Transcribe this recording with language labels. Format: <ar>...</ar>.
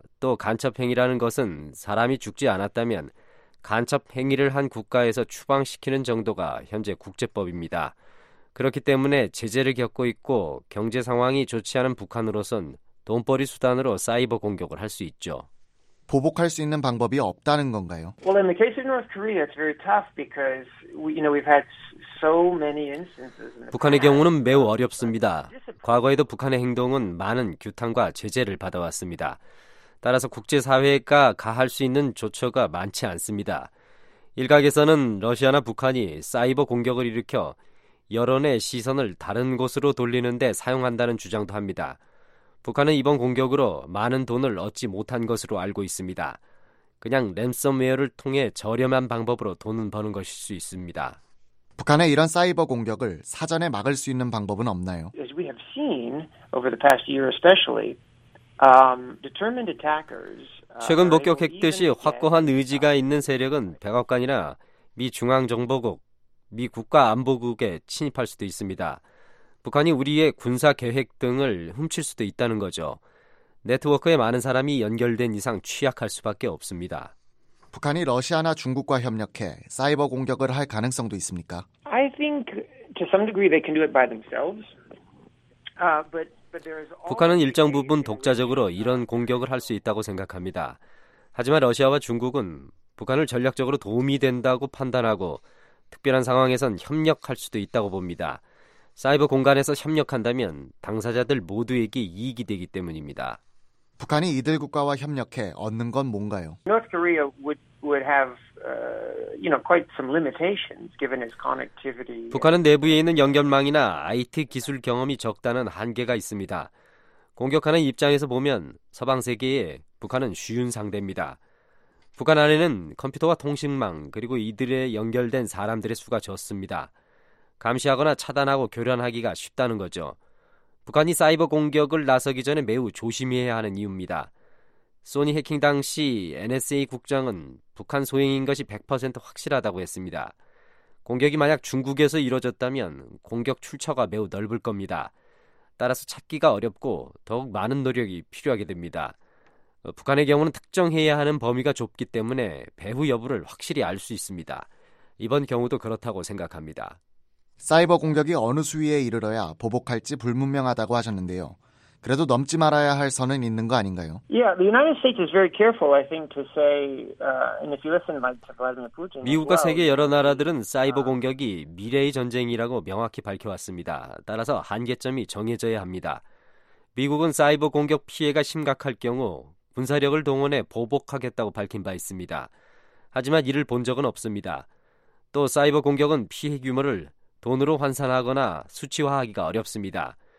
<ko>또 간첩 행위라는 것은 사람이 죽지 않았다면 간첩 행위를 한 국가에서 추방시키는 정도가 현재 국제법입니다. 그렇기 때문에 제재를 겪고 있고 경제 상황이 좋지 않은 북한으로선 돈벌이 수단으로 사이버 공격을 할 수 있죠. 보복할 수 있는 방법이 없다는 건가요?</ko> <en>Well, in the case of North Korea, it's very tough because we've had so many instances.</en> <ko>북한의 경우는 매우 어렵습니다. 과거에도 북한의 행동은 많은 규탄과 제재를 받아왔습니다. 따라서 국제사회가 가할 수 있는 조처가 많지 않습니다. 일각에서는 러시아나 북한이 사이버 공격을 일으켜 여론의 시선을 다른 곳으로 돌리는 데 사용한다는 주장도 합니다. 북한은 이번 공격으로 많은 돈을 얻지 못한 것으로 알고 있습니다. 그냥 랜섬웨어를 통해 저렴한 방법으로 돈은 버는 것일 수 있습니다. 북한의 이런 사이버 공격을 사전에 막을 수 있는 방법은 없나요?</ko> <en>As we have seen over the past year especially, determined attackers</en> <ko>최근 목격했듯이 확고한 의지가 있는 세력은 백악관이나 미 중앙정보국, 미 국가안보국에 침입할 수도 있습니다. 북한이 우리의 군사 계획 등을 훔칠 수도 있다는 거죠. 네트워크에 많은 사람이 연결된 이상 취약할 수밖에 없습니다. 북한이 러시아나 중국과 협력해 사이버 공격을 할 가능성도 있습니까?</ko> <en>I think to some degree they can do it by themselves. But</en> <ko>북한은 일정 부분 독자적으로 이런 공격을 할 수 있다고 생각합니다. 하지만 러시아와 중국은 북한을 전략적으로 도움이 된다고 판단하고 특별한 상황에선 협력할 수도 있다고 봅니다. 사이버 공간에서 협력한다면 당사자들 모두에게 이익이 되기 때문입니다. 북한이 이들 국가와 협력해 얻는 건 뭔가요?</ko> <en>North Korea would have you know quite some limitations given its connectivity.</en> <ko>북한은 내부에 있는 연결망이나 IT 기술 경험이 적다는 한계가 있습니다. 공격하는 입장에서 보면 서방 세계에 북한은 쉬운 상대입니다. 북한 안에는 컴퓨터와 통신망 그리고 이들에 연결된 사람들의 수가 적습니다. 감시하거나 차단하고 교란하기가 쉽다는 거죠. 북한이 사이버 공격을 나서기 전에 매우 조심해야 하는 이유입니다. 소니 해킹 당시 NSA 국장은 북한 소행인 것이 100% 확실하다고 했습니다. 공격이 만약 중국에서 이루어졌다면 공격 출처가 매우 넓을 겁니다. 따라서 찾기가 어렵고 더욱 많은 노력이 필요하게 됩니다. 북한의 경우는 특정해야 하는 범위가 좁기 때문에 배후 여부를 확실히 알 수 있습니다. 이번 경우도 그렇다고 생각합니다. 사이버 공격이 어느 수위에 이르러야 보복할지 불분명하다고 하셨는데요. 그래도 넘지 말아야 할 선은 있는 거 아닌가요?</ko> <en>Yeah, the United States is very careful, I think, to say, and if you listen to Vladimir Putin,</en> <ko>미국과 세계 여러 나라들은 사이버 공격이 미래의 전쟁이라고 명확히 밝혀왔습니다. 따라서 한계점이 정해져야 합니다. 미국은 사이버 공격 피해가 심각할 경우 군사력을 동원해 보복하겠다고 밝힌 바 있습니다. 하지만 이를 본 적은 없습니다. 또 사이버 공격은 피해 규모를 돈으로 환산하거나 수치화하기가 어렵습니다.</ko>